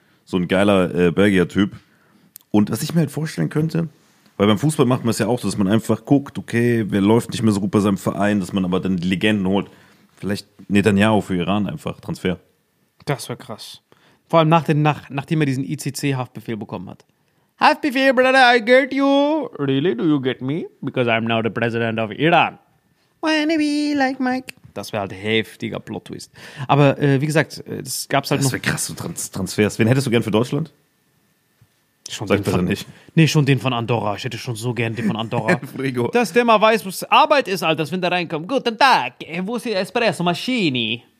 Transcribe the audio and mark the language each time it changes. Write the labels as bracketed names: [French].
[German] So ein geiler Belgier-Typ. Und was ich mir halt vorstellen könnte, weil beim Fußball macht man es ja auch so, dass man einfach guckt, okay, wer läuft nicht mehr so gut bei seinem Verein, dass man aber dann die Legenden holt. Vielleicht Netanyahu für Iran einfach, Transfer. Das wäre krass. Vor allem nachdem er diesen ICC-Haftbefehl bekommen hat. [English] Haftbefehl, brother, I get you. Really, do you get me? Because I'm now the president of Iran. Wanna be like Mike? [German] Das wäre halt heftiger Plot-Twist. Aber wie gesagt, es gab es halt das noch. Das wäre krass, so Transfers. Wen hättest du gern für Deutschland? Schon sag ich besser nicht. Nee, schon den von Andorra. Ich hätte schon so gern den von Andorra. Frigo. Dass der mal weiß, was Arbeit ist, Alter, wenn der reinkommt. Guten Tag, wo ist die Espresso-Maschine?